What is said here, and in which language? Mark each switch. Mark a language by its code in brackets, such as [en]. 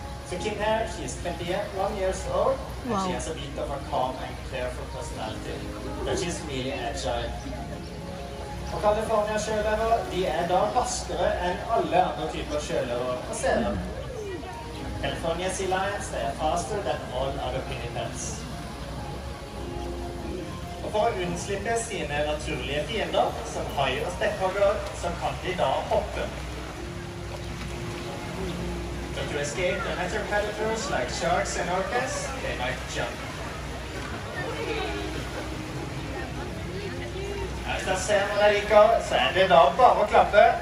[no] Så Kim her, [en] she is 21 years old, and wow. She has a bit of a calm and careful personality. But she is really agile. [no] Og California-sjøløver, de er da raskere enn alle andre typer sjøløver på scenen. [en] California Sea Lions, they are faster than all other pinnipeds. [no] Og for å unnslippe sine naturlige fiender, som haj og stekkhogler, så kan de da hoppe. [en] So to escape the natural predators like sharks and orcas, they might jump. [no] Hvis dere ser når dere liker, så er det da bare å klappe.